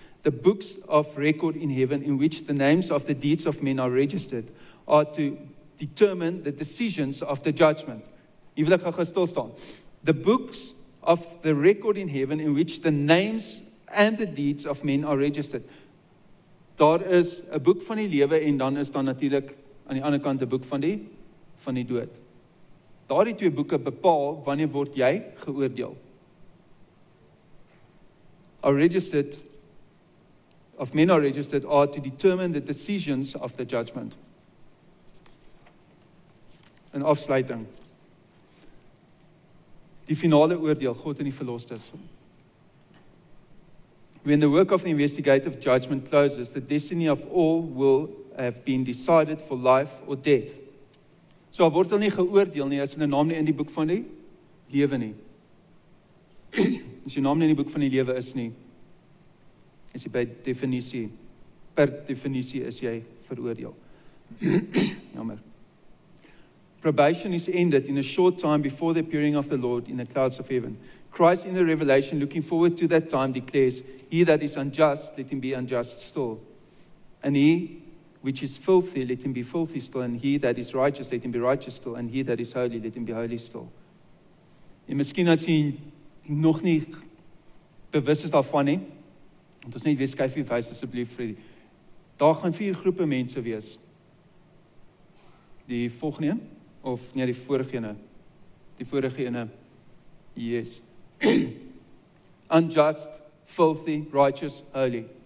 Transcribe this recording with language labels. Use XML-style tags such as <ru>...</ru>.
<en>The books of record in heaven in which the names of the deeds of men are registered are to determine the decisions of the judgment. The books of the record in heaven in which the names and the deeds of men are registered.</en> <af>Daar is 'n boek van die lewe en dan is daar natuurlik aan die ander kant 'n boek van die dood. Daardie twee boeke bepaal wanneer word jy geoordeel.</af> <en>Are registered are to determine the decisions of the judgment.</en> <af>En afsluiting. Die finale oordeel, God en die verlosters.</af> <en>When the work of the investigative judgment closes, the destiny of all will have been decided for life or death.</en> <af>So al word hulle nie geoordeel nie, as hulle naam nie in die boek van die lewe nie. As jou naam nie in die boek van die lewe is nie, is jy per definisie is jy veroordeel. Jammer.</af> <en>Probation is ended in a short time before the appearing of the Lord in the clouds of heaven. Christ in the revelation, looking forward to that time, declares, he that is unjust, let him be unjust still. And he which is filthy, let him be filthy still. And he that is righteous, let him be righteous still. And he that is holy, let him be holy still.</en> <af>En miskien as jy nog nie bewus is daarvan nie, want ons net weer skuif hier wys asseblief vir die. Daar gaan 4 groepe mense wees. Die volgende een. Of nie die vorige ene. die vorige ene,</af> <en>yes. Unjust, filthy, righteous, holy.</en>